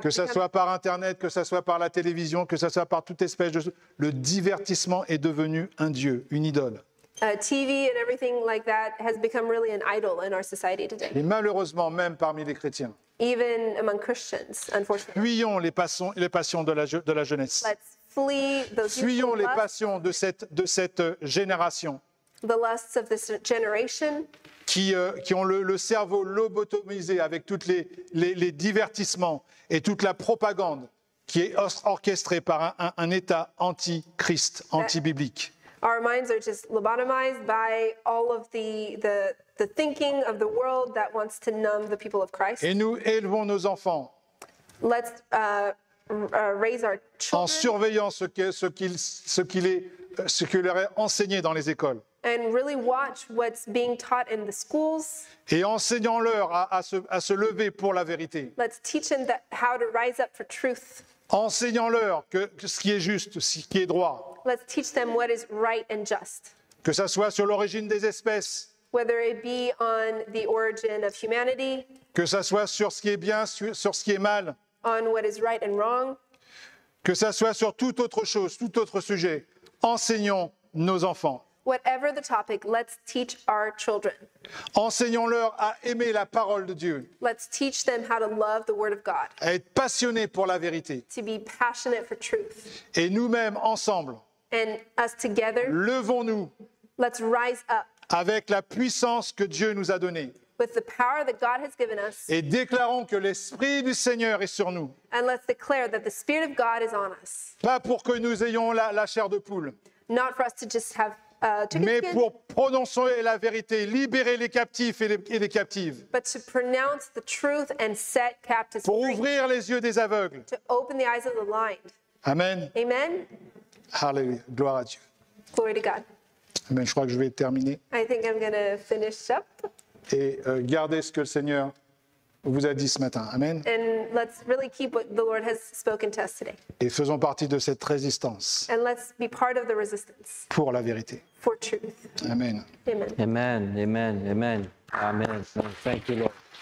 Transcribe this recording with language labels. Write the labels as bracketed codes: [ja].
[fr] que ça soit par internet, que ça soit par la télévision, que ça soit par toute espèce de le divertissement est devenu un dieu, une idole. [en] TV and everything like that has become really an idol in our society today. [fr] Et malheureusement même parmi les chrétiens. [en] Even among Christians, unfortunately. [fr] Fuyons les passions de la jeunesse. [en] Let's flee those. [fr] Fuyons les passions de cette génération. [en] The lusts of this generation. [fr] Qui ont le cerveau lobotomisé avec toutes les divertissements et toute la propagande qui est orchestrée par un État anti-Christ, anti-biblique. [en] Our minds are just lobotomized by all of the thinking of the world that wants to numb the people of Christ. [fr] Et nous élevons nos enfants. [en] Let's raise our children. [fr] En surveillant ce qu'il est enseigné dans les écoles. [en] And really watch what's being taught in the schools. [fr] Et enseignant-leur à se lever pour la vérité. [en] Let's teach them how to rise up for truth. [fr] Enseignant-leur que ce qui est juste, ce qui est droit. [en] Let's teach them what is right and just. [fr] Que ça soit sur l'origine des espèces. [en] Whether it be on the origin of humanity. [fr] Que ça soit sur ce qui est bien, sur ce qui est mal. [en] On what is right and wrong. [fr] Que ça soit sur toute autre chose, tout autre sujet. Enseignons nos enfants. [en] Whatever the topic, let's teach our children. [fr] Enseignons-leur à aimer la parole de Dieu. [en] Let's teach them how to love the word of God. [fr] À être passionnés pour la vérité. [en] To be passionate for truth. [fr] Et nous-mêmes ensemble. [en] And us together. [fr] Levons-nous. [en] Let's rise up. [fr] Avec la puissance que Dieu nous a donnée. [en] With the power that God has given us. [fr] Et déclarons que l'Esprit du Seigneur est sur nous. [en] And let's declare that the Spirit of God is on us. [fr] Pas pour que nous ayons la chair de poule. [en] Not for us to just have [fr] mais pour prononcer la vérité, libérer les captifs et les captives. [en] But to pronounce the truth and set captives free. [fr] Pour ouvrir les yeux des aveugles. [en] To open the eyes of the blind. [fr] Amen. [en] Amen. [fr] Hallelujah. Gloire à Dieu. [en] Glory to God. [fr] Amen. Je crois que je vais terminer. [en] I think I'm going to finish up. [fr] Et gardez ce que le Seigneur vous a dit ce matin. Amen. [en] And let's really keep what the Lord has spoken to us today. [fr] Et faisons partie de cette résistance. [en] And let's be part of the resistance. [fr] Pour la vérité. [en] For truth. [fr] Amen. [en] Amen. Amen. Amen. Amen. Amen. Thank you, Lord.